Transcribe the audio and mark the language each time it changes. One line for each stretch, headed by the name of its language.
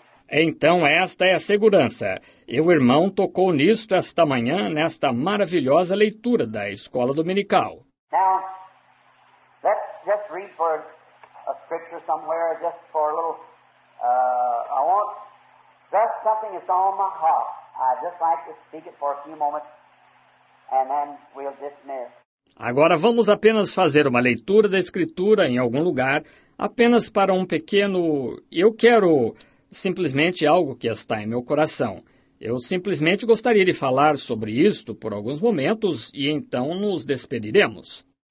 Portuguese: Então, esta é a segurança. E o irmão tocou nisto esta manhã, nesta maravilhosa leitura da escola dominical.
English: Now, let's just read for a scripture somewhere, just for a little. I want just something that's on my heart. I'd just like to speak it for a few moments, and then we'll dismiss.
Portuguese: Agora vamos apenas fazer uma leitura da escritura em algum lugar, apenas para um pequeno. Eu quero. Simplesmente algo que está em meu coração. Eu simplesmente gostaria de falar sobre isto por alguns momentos e então nos despediremos.